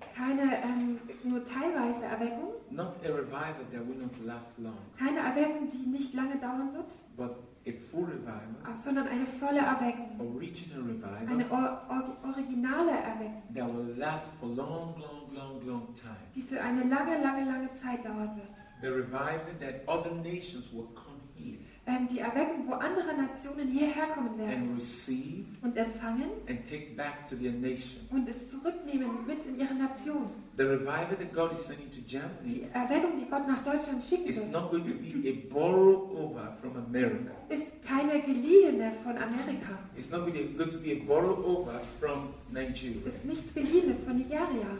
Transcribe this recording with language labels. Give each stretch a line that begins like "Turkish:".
German: Keine nur teilweise Erweckung.
English: Not a revival that will not last long.
German: Keine Erweckung, die nicht lange dauern wird.
English: But a full revival.
German: Sondern eine volle Erweckung.
English: Original revival.
German: Eine originale Erweckung.
English: That will last for long, long, long, long time.
German: Die für eine lange, lange, lange Zeit dauern wird.
English: The revival that other nations will come here.
German: Die Erweckung, wo andere Nationen hierher kommen werden und empfangen
English: and take back to their nation.
German: Und es zurücknehmen mit in ihre Nation.
English: The revival that God is sending to Germany,
German: die Erweckung, die Gott nach Deutschland schicken will, ist keine Geliehene von Amerika.
English: It's not going to be a borrowed over from Nigeria.
German: Ist nichts Geliehenes von Nigeria.